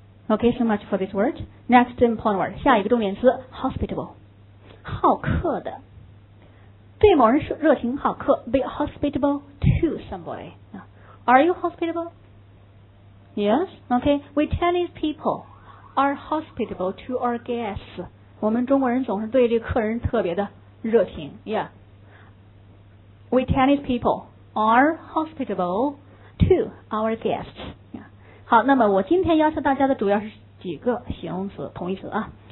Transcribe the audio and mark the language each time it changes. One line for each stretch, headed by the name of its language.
English: Okay, so much for this word. Next important word，
Chinese: 下一个重点词
English: ，hospitable。
Chinese: 好客的，对某人是热情好客
English: ，be hospitable to somebody. Are you hospitable? Yes. Okay. We Chinese people are hospitable to our guests.
Chinese: 我们中国人总是对这个客人特别的热情。
English: Yeah. We Chinese people are hospitable to our guests. Yeah.
Chinese: 好，那么我今天要求大家的主要是几个形容词，同义词啊。